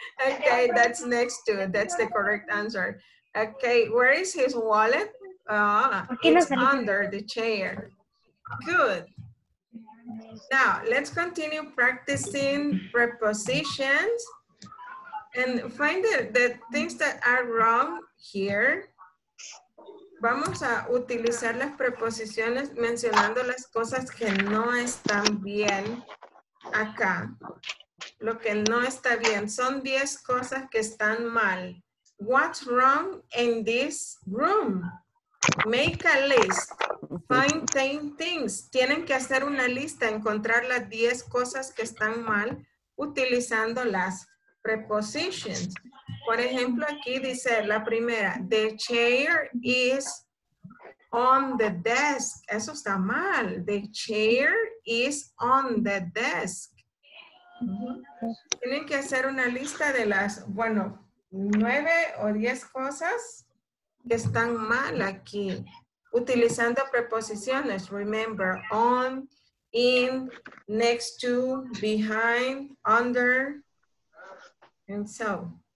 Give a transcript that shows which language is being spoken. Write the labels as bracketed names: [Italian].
[English] Okay, that's next to. That's the correct answer. Okay, where is his wallet? It's under the chair. Good. Now, let's continue practicing prepositions and find the things that are wrong here. [Spanish] Vamos a utilizar las preposiciones mencionando las cosas que no están bien acá. Lo que no está bien. Son 10 cosas que están mal. [English] What's wrong in this room? Make a list. Find 10 things. [Spanish] Tienen que hacer una lista, encontrar las 10 cosas que están mal utilizando las prepositions. Por ejemplo, aquí dice la primera, [English] the chair is on the desk. [Spanish] Eso está mal. [English] The chair is on the desk. [Spanish] Tienen que hacer una lista de las, bueno, 9 o 10 cosas que están mal aquí, utilizando preposiciones. [English] Remember, on, in, next to, behind, under, and so.